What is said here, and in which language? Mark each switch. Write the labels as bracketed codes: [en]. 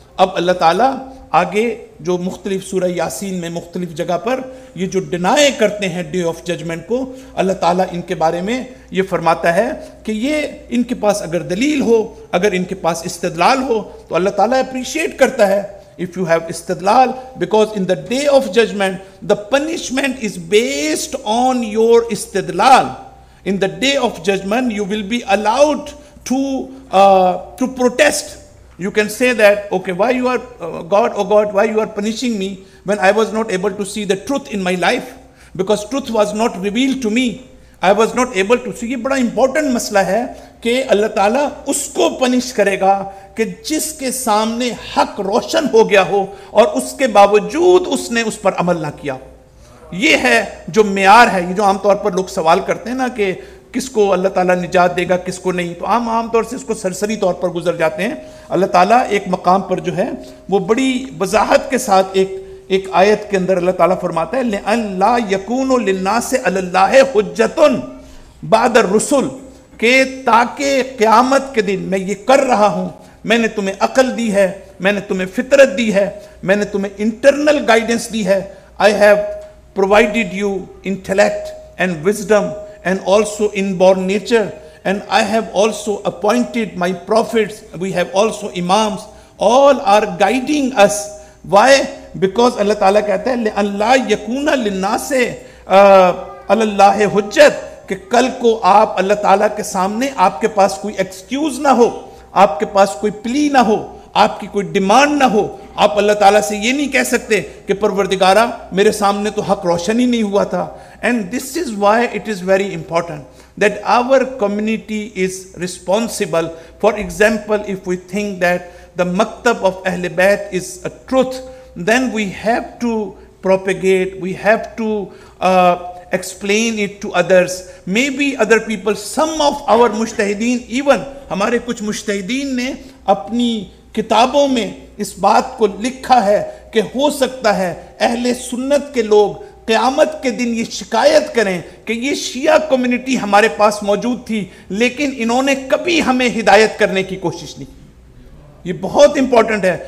[ur] اب اللہ تعالیٰ آگے جو مختلف سورہ یاسین میں مختلف جگہ پر یہ جو ڈینائے کرتے ہیں ڈے آف ججمنٹ کو، اللہ تعالیٰ ان کے بارے میں یہ فرماتا ہے کہ یہ ان کے پاس اگر دلیل ہو، اگر ان کے پاس استدلال ہو، تو اللہ تعالیٰ اپریشیٹ کرتا ہے [en] If you have استدلال، because in the day of judgment the punishment is based on your استدلال. In the day of judgment you will be allowed to protest. You can say that, okay, why you are, God, oh God, why you are punishing me when I was not able to see the truth in my life? Because truth was not revealed to me. I was not able to see. [ur] یہ بڑا important مسئلہ ہے کہ اللہ تعالیٰ اس کو punish کرے گا کہ جس کے سامنے حق روشن ہو گیا ہو اور اس کے باوجود اس نے اس پر عمل نہ کیا. یہ ہے جو معیار ہے. یہ جو عام طور پر لوگ سوال کرتے ہیں نا کہ کس کو اللہ تعالیٰ نجات دے گا، کس کو نہیں، تو عام طور سے اس کو سرسری طور پر گزر جاتے ہیں. اللہ تعالیٰ ایک مقام پر جو ہے وہ بڑی وضاحت کے ساتھ ایک آیت کے اندر اللہ تعالیٰ فرماتا ہے [ar] لَأَلَّا يَكُونُ لِلنَّاسِ عَلَى اللَّهِ حُجَّتٌ بَعْدَ الرُّسُلِ، [ur] کہ تاکہ قیامت کے دن میں یہ کر رہا ہوں، میں نے تمہیں عقل دی ہے، میں نے تمہیں فطرت دی ہے، میں نے تمہیں انٹرنل گائیڈنس دی ہے، [en] I have provided you intellect and wisdom and also inborn nature, and I have also appointed my prophets, we have also imams, all are guiding us. Why? [ur] Because Allah Ta'ala kehta hai [ar] allah yakuna linnase alallahi hujjat, [ur] ke kal ko aap Allah Ta'ala ke samne aapke paas koi excuse na ho, aapke paas koi plea na ho, آپ کی کوئی demand نہ ہو. آپ اللہ تعالیٰ سے یہ نہیں کہہ سکتے کہ پروردگارہ میرے سامنے تو حق روشن ہی نہیں ہوا تھا. [en] And this is why it is very important that our community is responsible. For example if we think that the مکتب of اہل بیت is a truth, then we have to propagate, we have to explain it to others. May be other people, some of our مجتہدین، [ur] even ہمارے کچھ مجتہدین نے اپنی کتابوں میں اس بات کو لکھا ہے کہ ہو سکتا ہے اہل سنت کے لوگ قیامت کے دن یہ شکایت کریں کہ یہ شیعہ کمیونٹی ہمارے پاس موجود تھی لیکن انہوں نے کبھی ہمیں ہدایت کرنے کی کوشش نہیں کی. یہ بہت امپورٹنٹ ہے.